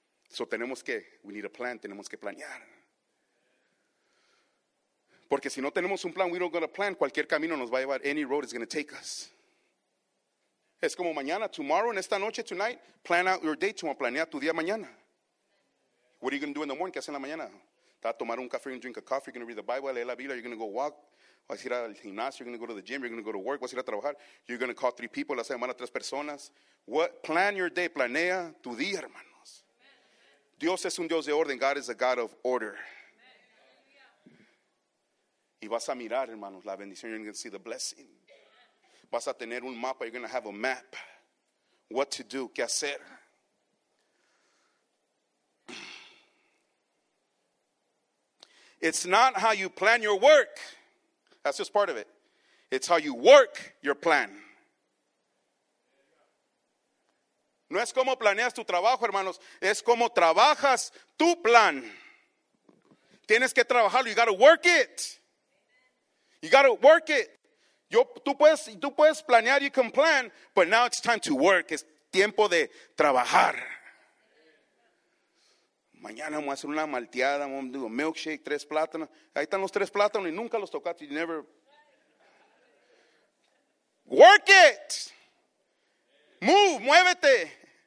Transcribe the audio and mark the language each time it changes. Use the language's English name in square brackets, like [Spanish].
[Spanish] So tenemos que, [English] we need a plan, [Spanish] tenemos que planear. Porque si no tenemos un plan, [English] we don't got a plan, [Spanish] cualquier camino nos va a llevar, [English] any road is going to take us. [Spanish] Es como mañana, [English] tomorrow, [Spanish] en esta noche, [English] tonight, plan out your day tomorrow, [Spanish] planea tu día mañana. [English] What are you going to do in the morning? [Spanish] ¿Qué haces en la mañana? Te va a tomar un café, [English] you're going to drink a coffee, you're going to read the Bible, [Spanish] leer la Biblia, [English] you're going to go walk, [Spanish] vas a ir al gimnasio, [English] you're going to go to the gym, you're going to go to work, [Spanish] vas a ir a trabajar, [English] you're going to call three people, [Spanish] vas a llamar a tres personas. [English] What, plan your day, [Spanish] planea tu día, hermano. Dios es un Dios de orden. [English] God is a God of order. [Spanish] Y vas a mirar, hermanos, la bendición. [English] You're going to see the blessing. [Spanish] Vas a tener un mapa. [English] You're going to have a map. What to do. [Spanish] ¿Qué hacer? [English] It's not how you plan your work. That's just part of it. It's how you work your plan. [Spanish] No es como planeas tu trabajo, hermanos. Es como trabajas tu plan. Tienes que trabajarlo. [English] You gotta work it. [Spanish] You gotta work it. Tú puedes planear, [English] you can plan, but now it's time to work. [Spanish] Es tiempo de trabajar. Mañana vamos a hacer una malteada, vamos a hacer un milkshake, tres plátanos. Ahí están los tres plátanos y nunca los tocaste. [English] You never. Work it. Move, [Spanish] muévete.